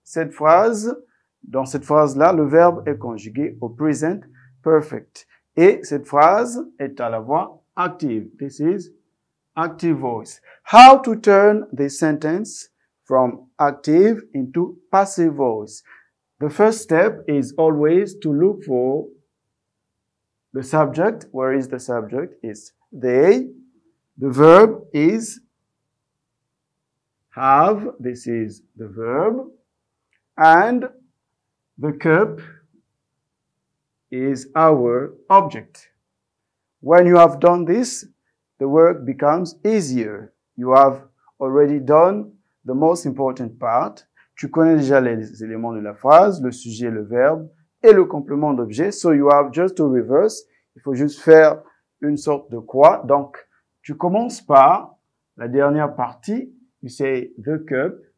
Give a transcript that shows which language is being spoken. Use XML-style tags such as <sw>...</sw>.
<fr>Cette phrase, dans cette phrase-là, le verbe est conjugué au present perfect. Et cette phrase est à la voix active.</fr> <en>This is active voice. How to turn the sentence from active into passive voice? The first step is always to look for The subject, where is the subject? Is they. The verb is have. This is the verb. And the cup is our object. When you have done this, the work becomes easier. You have already done the most important part.</en> <fr>Tu connais déjà les éléments de la phrase, le sujet, le verbe et le complément d'objet.</fr> <en>So you have just to reverse.</en> <fr>Il faut juste faire une sorte de quoi. Donc, tu commences par la dernière partie.</fr> <en>You say the cup.</en>